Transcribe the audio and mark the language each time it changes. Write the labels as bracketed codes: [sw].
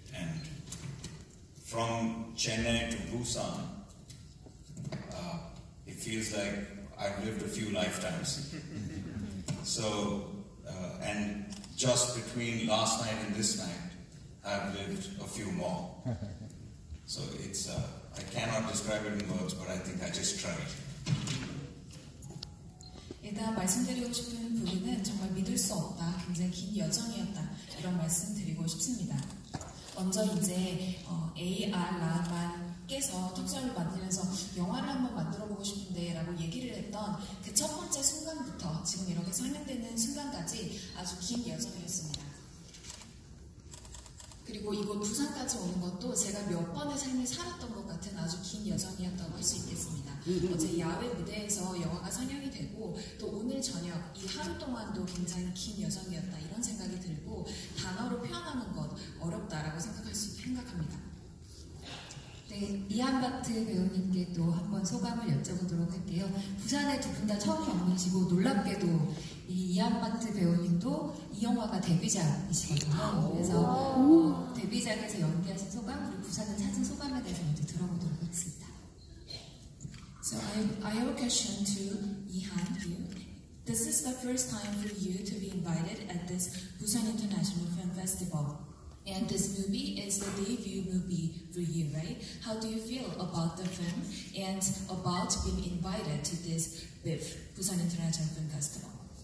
[en] And from Chennai to Busan, it feels like I've lived a few lifetimes. So, and just between last night and this night, I've lived a few more. So it's, I cannot describe it in words, but I think I just tried. [ko] 일단 말씀드리고 싶은 부분은 정말 믿을 수 없다, 굉장히 긴 여정이었다 이런 말씀드리고 싶습니다. 먼저 이제 A.R. 라만께서 특선을 만들면서 영화를 한번 만들어보고 싶은데 라고 얘기를 했던 그 첫 번째 순간부터 지금 이렇게 설명되는 순간까지 아주 긴 여정이었습니다. 그리고 이곳 부산까지 오는 것도 제가 몇 번의 삶을 살았던 것 같은 아주 긴 여정이었다고 할 수 있겠습니다. 어제 야외 무대에서 영화가 상영이 되고 또 오늘 저녁 이 하루 동안도 굉장히 긴 여정이었다 이런 생각이 들고 단어로 표현하는 것 어렵다라고 생각합니다. 네, 이한바트 배우님께 또 한번 소감을 여쭤보도록 할게요. 부산에 두 분 다 처음 방문이시고 놀랍게도 이 이한바트 배우님도 이 영화가 데뷔작이시거든요. 그래서 데뷔작에서 연기하신 소감 그리고 부산을 찾은 소감에 대해서 먼저 들어보도록 하겠습니다. [en] So I have a question to 이한. This is the first time for you to be invited at this Busan International Film Festival. And this movie is the debut movie for you, right? How do you feel about the film and about being invited to this BIFF, Busan International Film Festival?